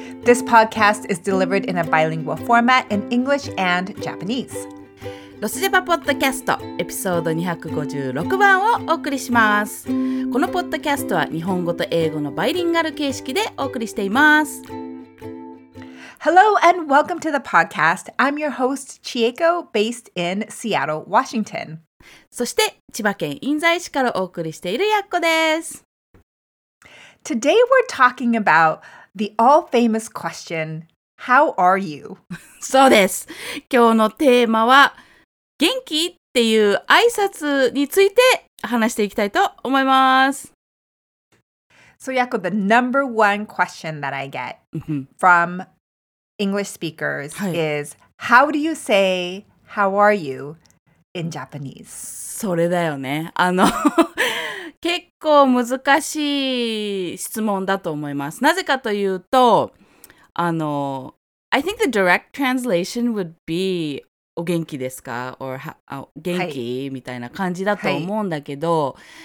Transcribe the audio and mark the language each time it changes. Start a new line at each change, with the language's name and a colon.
English: This podcast is delivered in a bilingual format in English and Japanese.
Japanese: ロスジャパポッドキャストエピソード256番をお送りします。このポッドキャストは日本語と英語のバイリンガル形式でお送りしています。
English: Hello and welcome to the podcast. I'm your host Chieko, based in Seattle, Washington.
Japanese: そして千葉県印西市からお送りしているやっこです。
English: Today we're talking about the all famous question, How are you?
Japanese: そうです。今日のテーマは元気っていう挨拶について話していきたいと思います。
English: So, Yako, the number one question that I get from English speakers is, how do you say, how are you in Japanese?
Japanese: それだよね。結構難しい質問だと思います。なぜかというと、
English: I think the direct translation would be,
Japanese: お元気ですか? Or, 元気? みたいな感じだと思うんだけど、